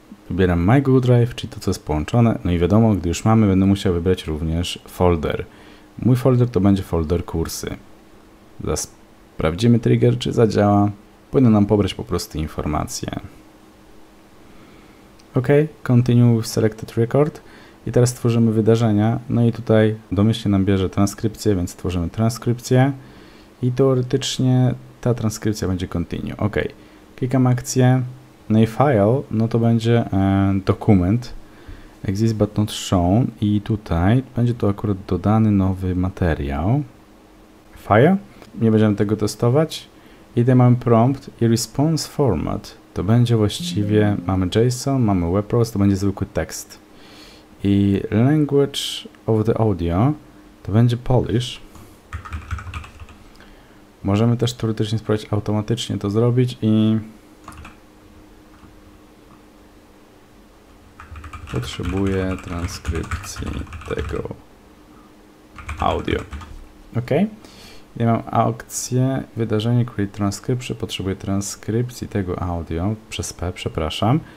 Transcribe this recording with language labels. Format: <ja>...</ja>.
<pl>Wybieram My Google Drive, czyli to, co jest połączone. No i wiadomo, gdy już mamy, będę musiał wybrać również folder. Mój folder to będzie folder kursy. Zaraz sprawdzimy trigger, czy zadziała. Powinno nam pobrać po prostu informacje.</pl> <en>OK, continue with selected record.</en> <pl>I teraz tworzymy wydarzenia. No i tutaj domyślnie nam bierze transkrypcję, więc tworzymy transkrypcję. I teoretycznie ta transkrypcja będzie continue. OK, klikam akcję. No i file, no to będzie dokument.</pl> <en>Exist but not shown.</en> <pl>I tutaj będzie to akurat dodany nowy materiał. File. Nie będziemy tego testować. I tutaj mamy prompt i response format. To będzie właściwie, mamy JSON, mamy WebPros, to będzie zwykły tekst. I</pl> <en>language of the audio</en> <pl>to będzie Polish. Możemy też teoretycznie spróbować automatycznie to zrobić i potrzebuję transkrypcji tego audio. OK. Ja mam akcję, wydarzenie, create transcription, potrzebuję transkrypcji tego audio, przez P, przepraszam.</pl>